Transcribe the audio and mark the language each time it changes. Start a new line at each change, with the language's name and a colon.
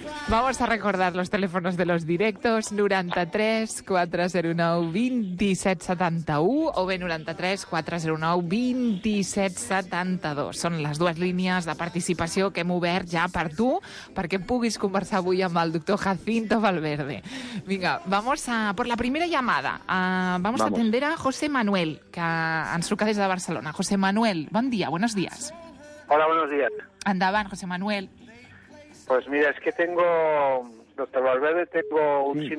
Spanish: Vamos a recordar los teléfonos de los directos, 93 409 2771 o bé 93 409 2772.
Catalan: Són les dues línies de participació que hem obert ja per tu, perquè puguis conversar avui amb el doctor Jacinto Valverde.
Spanish: Vinga, vamos a por la primera llamada. Vamos a atender a José Manuel, que ens truca des de Barcelona. José Manuel, bon dia, buenos días. Hola, buenos días.
Catalan: Endavant, José Manuel.
Spanish: Pues mira, es que tengo, doctor Valverde, tengo un sí.